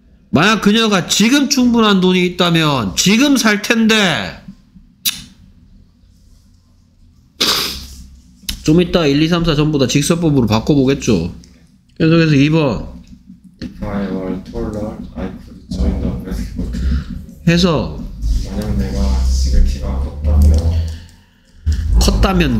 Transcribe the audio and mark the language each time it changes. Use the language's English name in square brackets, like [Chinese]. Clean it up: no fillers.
[Korean] 만약 그녀가 지금 충분한 돈이 있다면 지금 살 텐데. 좀 이따 1, 2, 3, 4 전부 다 직설법으로 바꿔보겠죠. 계속해서 2번. [English] If I were taller, I could join the basketball [Korean] team. 해서 만약 내가 지금 키가 컸다면